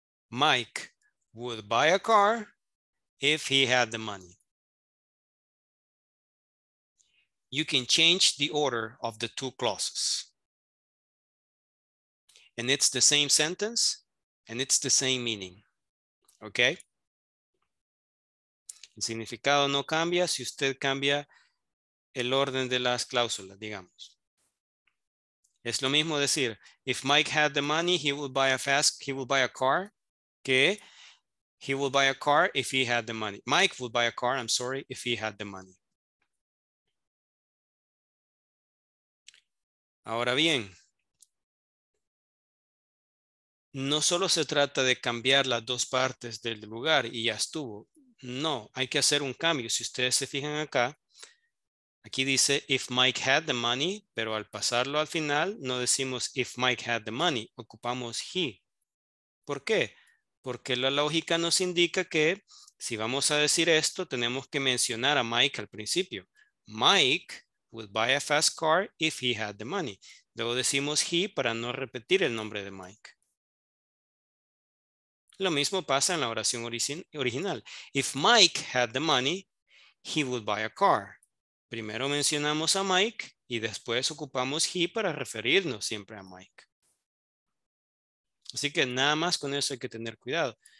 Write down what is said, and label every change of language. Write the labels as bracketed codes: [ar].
[en] Mike would buy a car if he had the money. You can change the order of the two clauses. And it's the same sentence, and it's the same meaning. Okay. [es] El significado no cambia si usted cambia el orden de las cláusulas, digamos. Es lo mismo decir, [en] if Mike had the money, he would buy a car. [es] Que [en] he would buy a car if he had the money. Mike would buy a car, I'm sorry, if he had the money. [es] Ahora bien. No solo se trata de cambiar las dos partes del lugar y ya estuvo. No, hay que hacer un cambio. Si ustedes se fijan acá, aquí dice [en] if Mike had the money, [es] pero al pasarlo al final no decimos if Mike had the money, ocupamos he. ¿Por qué? Porque la lógica nos indica que si vamos a decir esto, tenemos que mencionar a Mike al principio. [en] Mike would buy a fast car if he had the money. [es] Luego decimos he para no repetir el nombre de Mike. Lo mismo pasa en la oración original. [en] If Mike had the money, he would buy a car. [es] Primero mencionamos a Mike y después ocupamos he para referirnos siempre a Mike. Así que nada más con eso hay que tener cuidado.